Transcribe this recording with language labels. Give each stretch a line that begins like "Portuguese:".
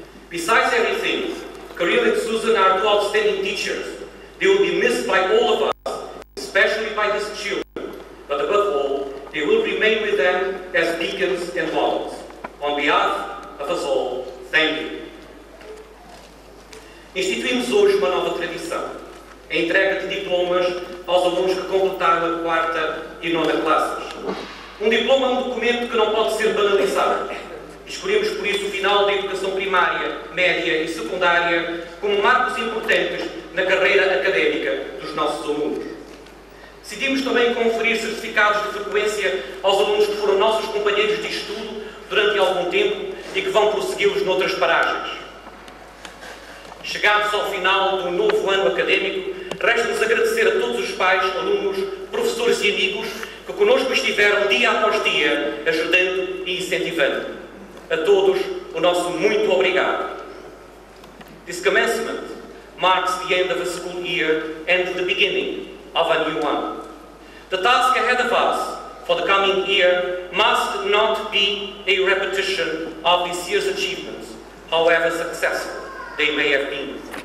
English: Besides everything, Kirill and Susan are two outstanding teachers. They will be missed by all of us, especially by these children, but above all, they will remain with them as beacons and models. On behalf of us all, thank you.
Portuguese: Instituímos hoje uma nova tradição, a entrega de diplomas aos alunos que completaram a 4ª e 9ª classes. Um diploma é um documento que não pode ser banalizado. Escolhemos, por isso, o final da educação primária, média e secundária como marcos importantes na carreira académica dos nossos alunos. Decidimos também conferir certificados de frequência aos alunos que foram nossos companheiros de estudo durante algum tempo e que vão prossegui-los noutras paragens. Chegados ao final do novo ano académico, resta-nos agradecer a todos os pais, alunos, professores e amigos que connosco estiveram dia após dia, ajudando e incentivando. A todos, o nosso muito obrigado.
English: This commencement marks the end of a school year and the beginning of a new one. The task ahead of us for the coming year must not be a repetition of this year's achievements, however successful they may have been.